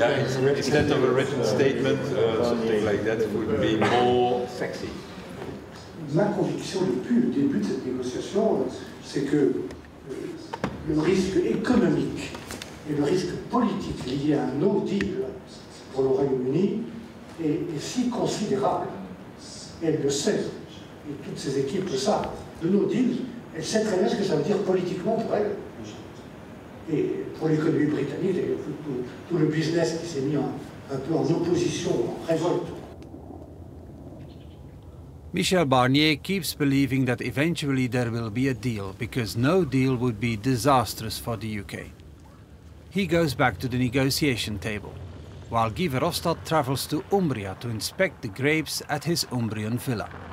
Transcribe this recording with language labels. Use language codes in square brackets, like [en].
[en] instead of a written statement, something like that would be more sexy. [fr] Ma conviction depuis le début de cette négociation, c'est que le risque économique et le risque politique lié à un no deal pour le Royaume-Uni est si considérable. Elle le sait, et toutes ses équipes le savent. Le no deal, elle sait très bien ce que ça veut dire politiquement pour elle. Et pour l'économie britannique, et tout le business qui s'est mis un peu en opposition, en révolte. [en] Michel Barnier keeps believing that eventually there will be a deal, because no deal would be disastrous for the UK. He goes back to the negotiation table, while Guy Verhofstadt travels to Umbria to inspect the grapes at his Umbrian villa.